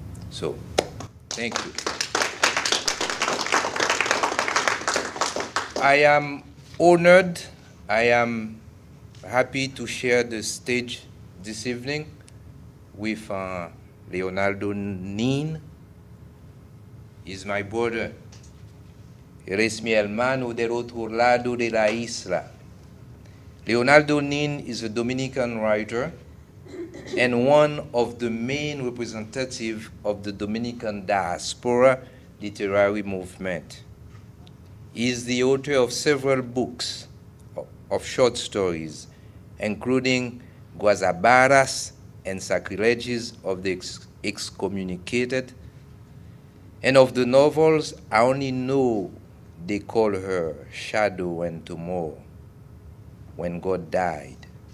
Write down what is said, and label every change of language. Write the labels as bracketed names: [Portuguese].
[English] So, thank you. I am honored. I am happy to share the stage this evening with Leonardo Nin. He's my brother. [Spanish] Eres mi hermano del otro lado de la isla. [English] Leonardo Nin is a Dominican writer and one of the main representatives of the Dominican diaspora literary movement. He is the author of several books of short stories, including Guasabaras and Sacrileges of the Excommunicated, and of the novels I Only Know They Call Her Shadow and Tomorrow, When God Died.